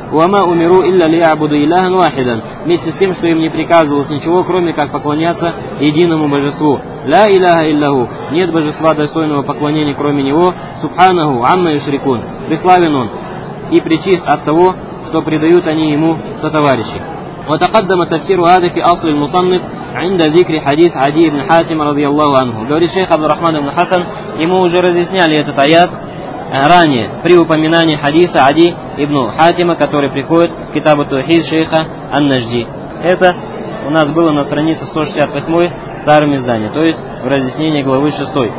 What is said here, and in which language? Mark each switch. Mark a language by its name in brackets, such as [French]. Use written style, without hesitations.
[Arabic] Уама умиру илля ли абуду илляхан вахидан, [Russian] вместе с тем, что им не приказывалось ничего, кроме как поклоняться единому божеству. [Arabic] Ля илляха илляху, [Russian] нет божества достойного поклонения, кроме него. [Arabic] Субханаху амма юшрикун, [Russian] преславен он и причист от того, что предают они ему сотоварищи. [Arabic] وتقدم تفسير هذا في أصل المصنف عند ذكر حديث عدي بن حاتم رضي الله عنه. [Russian] Говорит шейх Абдурахман ибн Хасан, ему уже разъясняли этот аят ранее при упоминании хадиса Ади ибн Хатима, который приходит в Китабу Тухид шейха Ан-Нажди. Это у нас было на странице 168 в старом издании, то есть в разъяснении главы 6.